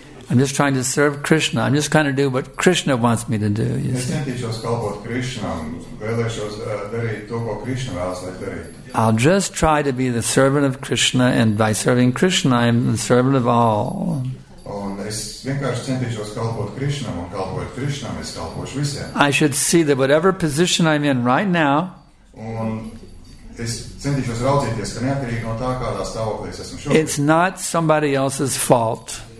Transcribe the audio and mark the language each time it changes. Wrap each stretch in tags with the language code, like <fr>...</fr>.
<en>I'm just trying to serve Krishna. I'm just trying to do what Krishna wants me to do.</en> <lv>Es centīšos kalpot Krishnam, vēlēšos darīt to, ko Krishna vēlas, lai darītu.</lv> <en>I'll just try to be the servant of Krishna, and by serving Krishna, I'm the servant of all.</en> <lv>Un es vienkārši centīšos kalpot Krishnam, un kalpot Krishnam, es kalpošu visiem.</lv> <en>I should see that whatever position I'm in right now,</en> <lv>un es centīšos raudzīties, ka neatkarīgi no tā, kādā stāvoklī es esmu šobrīd.</lv> <en>It's not somebody else's fault.</en>